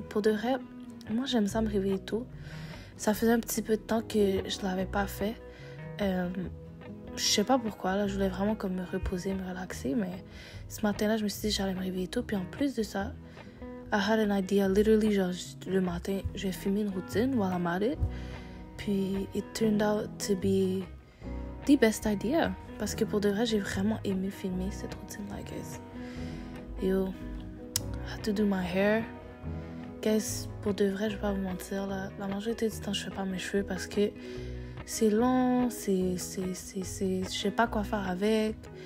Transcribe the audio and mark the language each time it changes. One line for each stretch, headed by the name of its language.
French: Pour de vrai, moi, j'aime ça me réveiller tôt. Ça faisait un petit peu de temps que je ne l'avais pas fait. Je sais pas pourquoi, là, je voulais vraiment comme me reposer, me relaxer, mais ce matin-là, je me suis dit que j'allais me réveiller tôt. Puis en plus de ça,
English: I had an idea, literally,
French: genre, le matin, je vais filmer une routine
English: while I'm at it.
French: Puis
English: it turned out to be the best idea.
French: Parce que pour de vrai, j'ai vraiment aimé filmer cette routine-là, guys.
English: Yo, I had to do my hair.
French: Guys, pour de vrai, je vais pas vous mentir, là, la majorité du temps, je fais pas mes cheveux parce que c'est long, c'est je sais pas quoi faire avec.